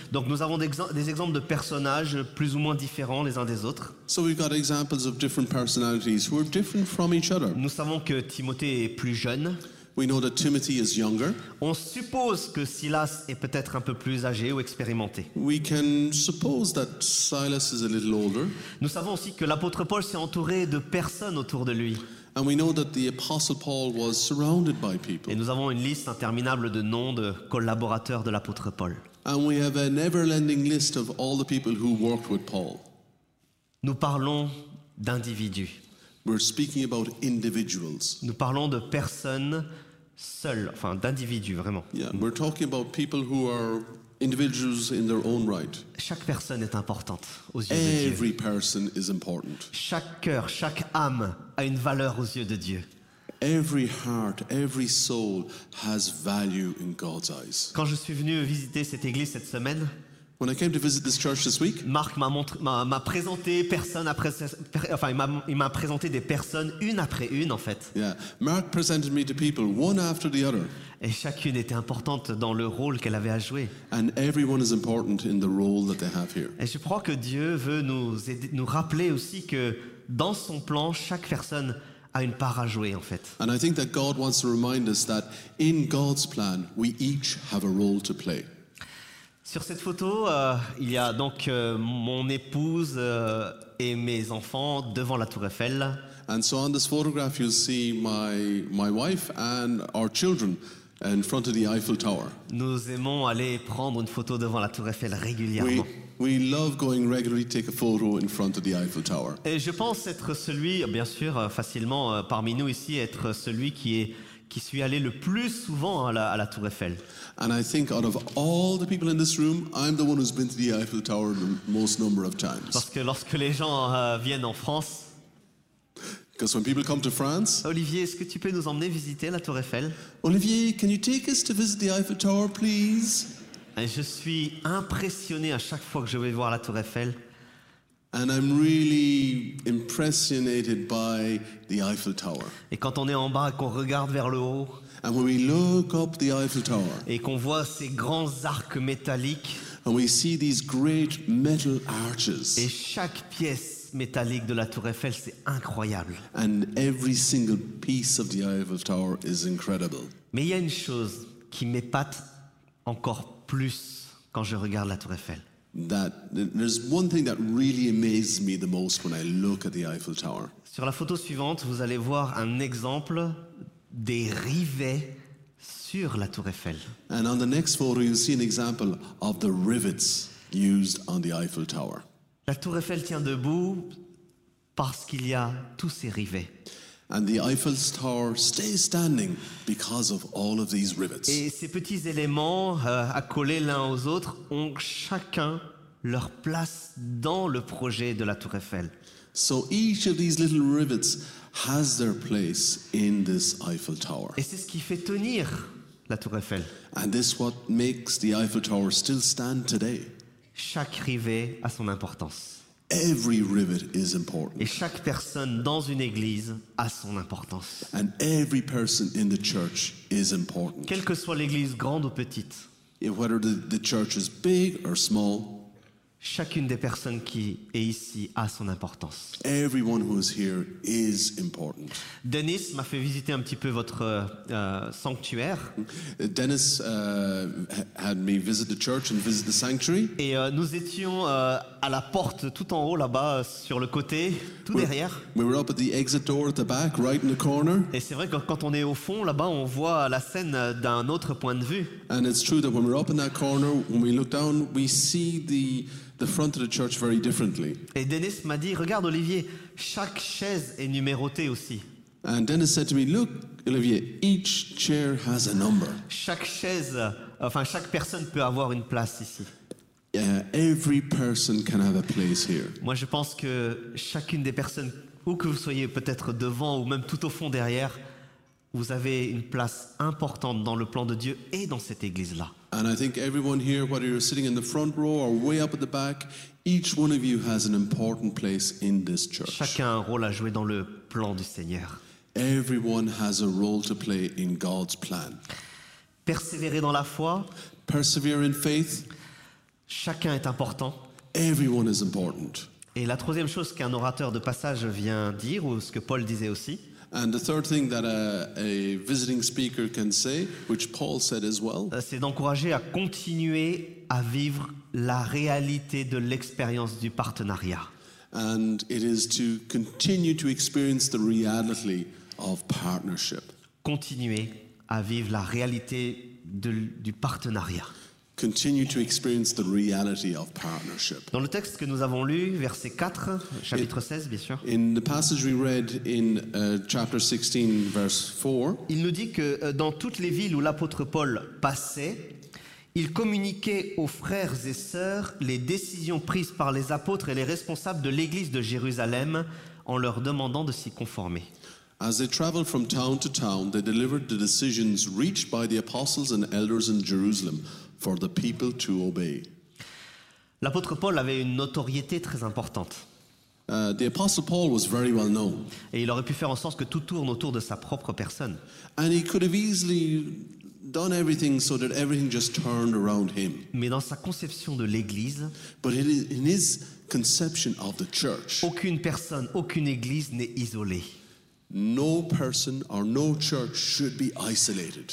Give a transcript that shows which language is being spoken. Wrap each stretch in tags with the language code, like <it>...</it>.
<fr>Donc nous avons des exemples de personnages plus ou moins différents les uns des autres.</fr> <en>So we've got examples of different personalities who are different from each other.</en> <fr>Nous savons que Timothée est plus jeune.</fr> <en>We know that Timothy is younger.</en> <fr>On suppose que Silas est peut-être un peu plus âgé ou expérimenté.</fr> <en>We can suppose that Silas is a little older.</en> <fr>Nous savons aussi que l'apôtre Paul s'est entouré de personnes autour de lui.</fr> <en>And we know that the Apostle Paul was surrounded by people.</en> <fr>Et nous avons une liste interminable de noms de collaborateurs de l'apôtre Paul.</fr> <en>And we have a never-ending list of all the people who worked with Paul.</en> <fr>Nous parlons d'individus.</fr> <en>We're speaking about individuals.</en> <fr>Nous parlons de personnes seules, enfin d'individus vraiment.</fr> <en>Yeah, we're talking about people who are individuals in their own right.</en> <fr>Chaque personne est importante aux yeux</fr> <en>every</en> <fr>de Dieu.</fr> <en>Person is important.</en> <fr>Chaque cœur, chaque âme a une valeur aux yeux de Dieu.</fr> <en>Every heart, every soul has value in God's eyes.</en> <fr>Quand je suis venu visiter cette église cette semaine,</fr> <en>When I came to visit this church this week,</en> <fr>Marc m'a présenté personne après il m'a présenté des personnes une après une en fait.</fr> <en>Yeah, Marc presented me to people one after the other.</en> <fr>Et chacune était importante dans le rôle qu'elle avait à jouer.</fr> <en>And everyone is important in the role that they have here.</en> <fr>Et je crois que Dieu veut nous aider, nous rappeler aussi que dans son plan, chaque personne a une part à jouer en fait.</fr> <en>And I think that God wants to remind us that in God's plan, we each have a role to play.</en> <fr>Sur cette photo, il y a donc mon épouse et mes enfants devant la Tour Eiffel.</fr> <en>And so on this photograph, you see my wife and our children in front of the Eiffel Tower.</en> <fr>Nous aimons aller prendre une photo devant la Tour Eiffel régulièrement.</fr> <en>We love going regularly take a photo in front of the Eiffel Tower.</en> <fr>Et je pense être celui, bien sûr, facilement parmi nous ici, être celui qui suis allé le plus souvent à la Tour Eiffel.</fr> <en>And I think out of all the people in this room, I'm the one who's been to the Eiffel Tower the most number of times.</en> <fr>Parce que lorsque les gens viennent en France,</fr> <en>because when people come to France,</en> <fr>Olivier, est-ce que tu peux nous emmener visiter la Tour Eiffel?</fr> <en>Olivier, can you take us to visit the Eiffel Tower, please?</en> <fr>Et je suis impressionné à chaque fois que je vais voir la Tour Eiffel.</fr> <en>And I'm really impressionated by the Eiffel Tower.</en> <fr>Et quand on est en bas et qu'on regarde vers le haut,</fr> <en>and when we look up the Eiffel Tower,</en> <fr>et qu'on voit ces grands arcs métalliques,</fr> <en>and we see these great metal arches,</en> <fr>et chaque pièce métallique de la Tour Eiffel, c'est incroyable.</fr> <en>And every single piece of the Eiffel Tower is incredible.</en> <fr>Mais il y a une chose qui m'épate encore plus quand je regarde la Tour Eiffel.</fr> <en>That there's one thing that really amazes me the most when I look at the Eiffel Tower.</en> <fr>Sur la photo suivante, vous allez voir un exemple des rivets sur la Tour Eiffel.</fr> <en>And on the next photo, you'll see an example of the rivets used on the Eiffel Tower.</en> <fr>La Tour Eiffel tient debout parce qu'il y a tous ces rivets.</fr> <en>And the Eiffel Tower stays standing because of all of these rivets.</en> <fr>Et ces petits éléments accolés l'un aux autres ont chacun leur place dans le projet de la Tour Eiffel.</fr> <en>So each of these little rivets has their place in this Eiffel Tower.</en> <fr>Et c'est ce qui fait tenir la Tour Eiffel.</fr> <en>And this is what makes the Eiffel Tower still stand today.</en> <fr>Chaque rivet a son importance.</fr> <en>Every rivet is important.</en> <fr>Et chaque personne dans une église a son importance.</fr> <en>And every person in the church is important.</en> <fr>Quelle que soit l'église, grande ou petite.</fr> <en>And whether the church is big or small,</en> <fr>chacune des personnes qui est ici a son importance.</fr> <en>Everyone who is here is important.</en> <fr>Dennis m'a fait visiter un petit peu votre sanctuaire.</fr> <en>Dennis had me visit the church and visit the sanctuary.</en> <fr>Et nous étions à la porte tout en haut là-bas sur le côté, tout derrière.</fr> <en>We were up at the exit door at the back, right in the corner.</en> <fr>Et c'est vrai que quand on est au fond là-bas, on voit la scène d'un autre point de vue.</fr> <en>And it's true that when we're up in that corner, when we look down, we see the front of the church very differently.</en> <fr>Et Dennis m'a dit, regarde Olivier, chaque chaise est numérotée aussi.</fr> <en>And Dennis said to me, look Olivier, each chair has a number.</en> <fr>Chaque chaise, enfin chaque personne peut avoir une place ici.</fr> <en>Yeah, every person can have a place here.</en> <fr>Moi je pense que chacune des personnes, où que vous soyez, peut-être devant ou même tout au fond derrière, vous avez une place importante dans le plan de Dieu et dans cette église-là.</fr> <en>And I think everyone here, whether you're sitting in the front row or way up at the back, each one of you has an important place in this church.</en> <fr>Chacun a un rôle à jouer dans le plan du Seigneur.</fr> <en>Everyone has a role to play in God's plan.</en> <fr>Persévérer dans la foi.</fr> <en>Persevere in faith.</en> <fr>Chacun est important.</fr> <en>Everyone is important.</en> <fr>Et la troisième chose qu'un orateur de passage vient dire, ou ce que Paul disait aussi,</fr> <en>and the third thing that a visiting speaker can say, which Paul said as well,</en> <fr>c'est d'encourager à continuer à vivre la réalité de l'expérience du partenariat.</fr> <en>And it is to continue to experience the reality of partnership.</en> <fr>Continuer à vivre la réalité du partenariat.</fr> <en>Continue to experience the reality of partnership.</en> <fr>Dans le texte que nous avons lu, verset 4, chapitre 16, bien sûr.</fr> <en>In the passage we read in chapter 16, verse 4.</en> <fr>Il nous dit que dans toutes les villes où l'apôtre Paul passait, il communiquait aux frères et sœurs les décisions prises par les apôtres et les responsables de l'église de Jérusalem en leur demandant de s'y conformer.</fr> <en>As they traveled from town to town, they delivered the decisions reached by the apostles and elders in Jerusalem for the people to obey.</en> <fr>L'apôtre Paul avait une notoriété très importante.</fr> <en>The apostle Paul was very well known.</en> <fr>Et il aurait pu faire en sorte que tout tourne autour de sa propre personne.</fr> <en>And he could have easily done everything so that everything just turned around him.</en> <fr>Mais dans sa conception de l'église,</fr> <en>but in his conception of the church,</en> <fr>aucune personne, aucune église n'est isolée.</fr> <en>No person or no church should be isolated.</en>